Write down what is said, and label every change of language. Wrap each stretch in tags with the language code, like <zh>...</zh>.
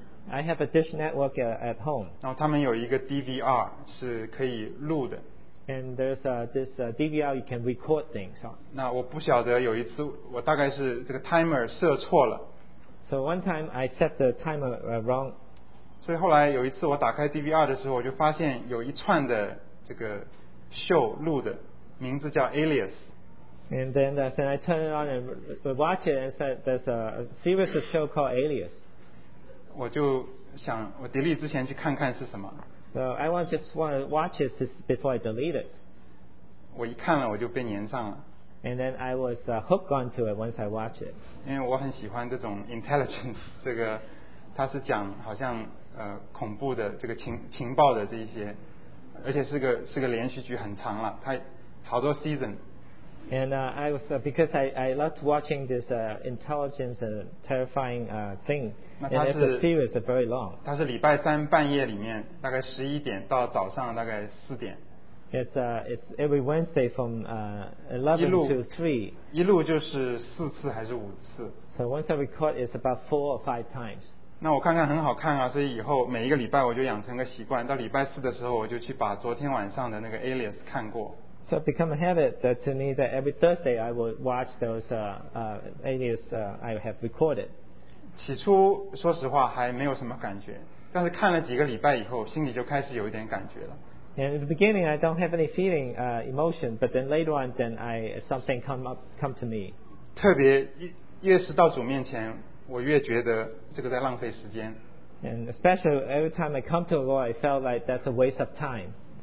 <en>I have a dish network at home.</en> <zh>然后他们有一个 DVR 是可以录的。</zh> <en>And there's this DVR you can record things on.</en> <zh>那我不晓得有一次我大概是这个 timer 设错了。</zh> <en>So one time I set the timer wrong.</en> <zh>所以后来有一次我打开 DVR 的时候，我就发现有一串的。这个 show 录的名字叫 Alias.</zh> <en>And then I turned it on and watched it and said there's a series of show called Alias.</en> <zh>我就想我 delete 之前去看看是什么。</zh> <en>So I just want to watch it before I delete it.</en> <zh>我一看了我就被粘上了。</zh> <en>And then I was hooked onto it once I watched it.</en> <zh>因为我很喜欢这种 intelligence, 这个它是讲好像恐怖的这个情报的这一些。而且是个连续剧，很长了，它好多 season。</zh> <en>And I was because I loved watching this intelligence and terrifying thing.</en> <zh>那它是</zh> <en>series very long.</en> <zh>它是礼拜三半夜里面，大概11点到早上大概4点。</zh> <en>It's every Wednesday from 11 to 3.</en> <zh>一路就是4次还是5次?</zh> <en>So once I record, it's about 4 or 5 times.</en> <zh>那我看看很好看啊，所以以后每一个礼拜我就养成个习惯，到礼拜四的时候我就去把昨天晚上的那个Alias看过。</zh> <en>So it become a habit that to me that every Thursday I will watch those Alias I have recorded.</en> <zh>起初说实话还没有什么感觉，但是看了几个礼拜以后，心里就开始有一点感觉了。</zh> <en>And in the beginning, I don't have any feeling, emotion. But then later on, then I something come to me.</en> <zh>特别越是到主面前，我越觉得这个在浪费时间。</zh> <en>And especially every time I come to the Lord, I felt like that's a waste of time.</en>